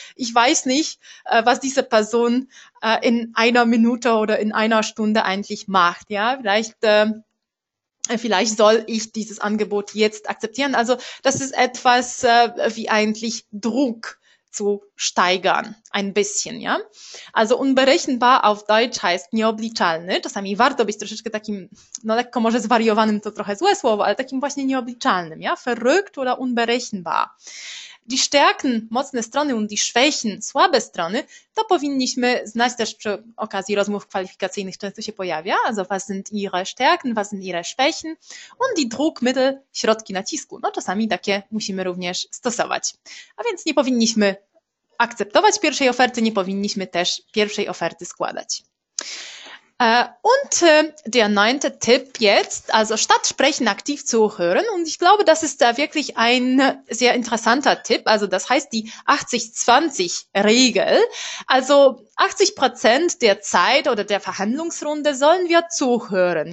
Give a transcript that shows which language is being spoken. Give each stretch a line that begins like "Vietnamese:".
German: Ich weiß nicht, was diese Person in einer Minute oder in einer Stunde eigentlich macht, ja? Vielleicht soll ich dieses Angebot jetzt akzeptieren. Also, das ist etwas wie eigentlich Druck zu steigern, ein bisschen, ja. Also unberechenbar auf Deutsch heißt nieobliczalny.
Polish: Czasami warto być troszeczkę takim, no lekko może zwariowanym, to trochę złe słowo, ale takim właśnie nieobliczalnym, ja.
German: Verrückt oder unberechenbar. Die Stärken,
Polish: mocne Strony
German: und die Schwächen,
Polish: słabe Strony, to powinniśmy znać też przy okazji rozmów kwalifikacyjnych, często się pojawia.
German: Also was sind ihre Stärken, was sind ihre Schwächen und die Druckmittel,
Polish: środki nacisku. No czasami takie musimy również stosować. A więc nie powinniśmy akceptować pierwszej oferty, nie powinniśmy też pierwszej oferty składać.
German: Der neunte Tipp jetzt, also statt sprechen, aktiv zuhören. Und ich glaube, das ist da wirklich ein sehr interessanter Tipp. Also das heißt die 80-20-Regel. Also 80% der Zeit oder der Verhandlungsrunde sollen wir zuhören.